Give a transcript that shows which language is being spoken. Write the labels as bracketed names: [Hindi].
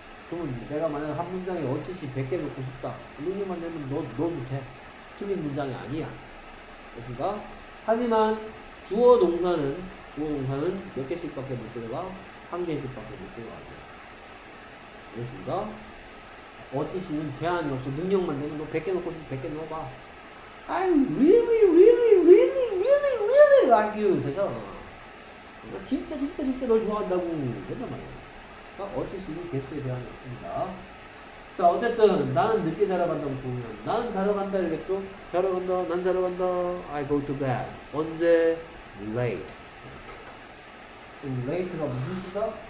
[Korean] 그러면 내가 만약에 한 문장에 어찌씨 100개 넣고 싶다 이런 것만 되면 넣어도 돼. 틀린 문장이 아니야. 그렇습니까? 하지만 주어 동사는 몇 개씩 밖에 못 들어가. 한 개씩 밖에 못 들어가. 그렇습니다. 어찌시는 제한이 없어. 능력만 되면 너 100개 넣고 싶으면 100개 넣어봐. [English] I really, really, really, really, really like you. [Korean] 되잖아. 나 진짜 널 좋아한다고. 맨날 말이야. 자, 어찌시는 개수에 제한이 없습니다. 자, 어쨌든, 나는 늦게 자러 간다고 보면, 나는 자러 간다 이랬죠? 자러 간다, 난 자러 간다. [English] I go to bed. [Korean] 언제? Late. 그럼 late가 무슨 뜻이다?